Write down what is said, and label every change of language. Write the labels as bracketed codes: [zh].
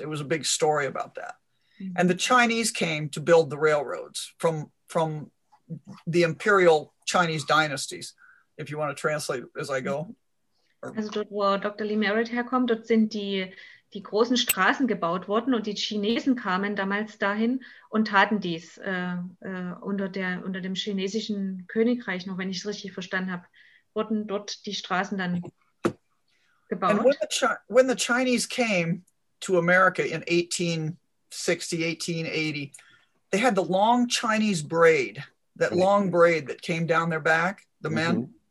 [en] It was a big story about that. And the Chinese came to build the railroads from the imperial Chinese dynasties, if you want to translate as I go. [de] Also dort, wo Dr. Lee Merritt herkommt, dort sind die großen Straßen gebaut worden und die Chinesen kamen damals dahin und taten dies unter dem chinesischen Königreich, noch wenn ich es richtig verstanden habe, wurden dort die Straßen dann [en] And [de] gebaut. [en] when the Chinese came to America in 1860, 1880, they had the long Chinese braid, that long braid that came down their back, the men.